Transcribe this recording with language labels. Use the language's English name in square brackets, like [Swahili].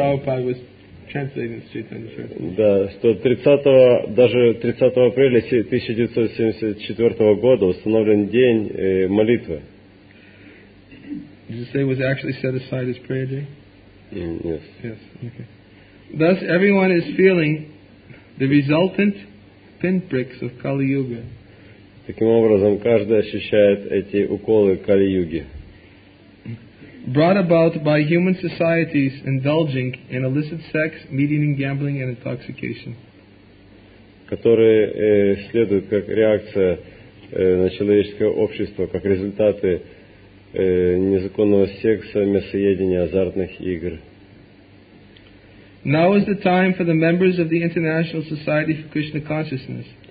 [English] Prabhupada was translating the street. [Russian] Да, что даже 30 апреля 1974 года установлен день молитвы. [English] Did you say it was actually set aside as prayer day? Yes. Yes. Okay. Thus, everyone is feeling the resultant pinpricks of Kali Yuga. [Russian] Таким образом, каждый ощущает эти уколы Кали-юги. [English] Brought about by human societies indulging in illicit sex, meat-eating, and gambling and intoxication. [Russian] Которые следуют как реакция на человеческое общество, как результаты незаконного секса, мясоедения, азартных игр. [English] Now is the time for the members of the International Society for Krishna Consciousness.